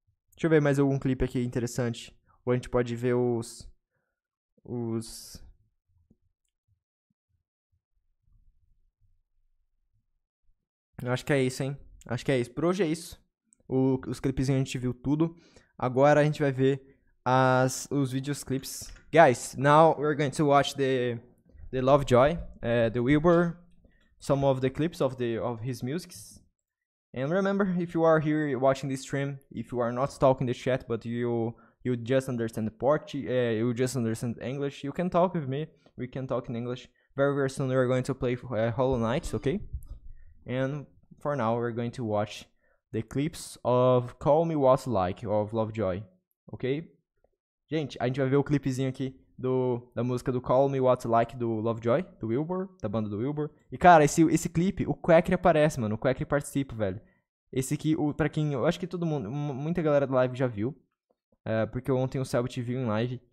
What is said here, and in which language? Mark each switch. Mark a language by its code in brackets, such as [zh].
[pt] Deixa eu ver mais algum clipe aqui interessante. Ou a gente pode ver Eu acho que é isso, hein. Acho que é isso. Por hoje é isso. Os clipezinhos a gente viu tudo. Agora a gente vai ver os vídeos clips. [en] Guys, now we're going to watch the Lovejoy, the Wilbur, some of the clips of his music. And remember, if you are here watching this stream, if you are not talking the chat, but you just understand you just understand English, you can talk with me. We can talk in English. Very, very soon we are going to play Hollow Knight, okay? And for now, we're going to watch the clips of Call Me What's Like, of Lovejoy, okay? [pt] Gente, a gente vai ver o clipezinho aqui da música do Call Me What's Like, do Lovejoy, do Wilbur, da banda do Wilbur. E, cara, esse clipe, o Quackery aparece, mano, o Quackery participa, velho. Esse aqui, pra quem, eu acho que todo mundo, muita galera da live já viu, porque ontem o Selbit viu em live.